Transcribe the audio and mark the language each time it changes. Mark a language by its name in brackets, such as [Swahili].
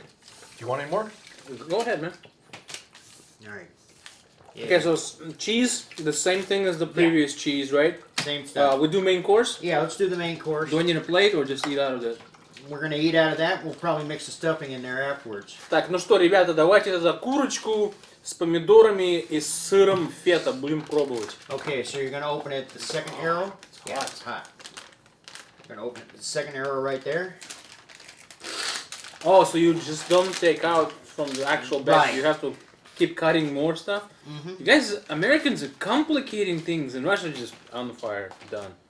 [English] Do you want any more? Go ahead, man. All right. Yeah. Okay, so cheese, the same thing as the previous cheese, right? Same stuff. We do main course? Yeah, let's do the main course. Do I need a plate or just eat out of it? We're going to eat out of that. We'll probably mix the stuffing in there afterwards. [Russian] Так, ну что, ребята, давайте тогда курочку с помидорами и с сыром фета будем пробовать. [English] Okay, so you're going to open it the second arrow. It's hot. Yeah, it's hot. You're going to open it the second arrow right there. Oh, so you just don't take out from the actual bag. Right. You have to keep cutting more stuff. Mm-hmm. You guys, Americans are complicating things, and Russians are just on the fire, done.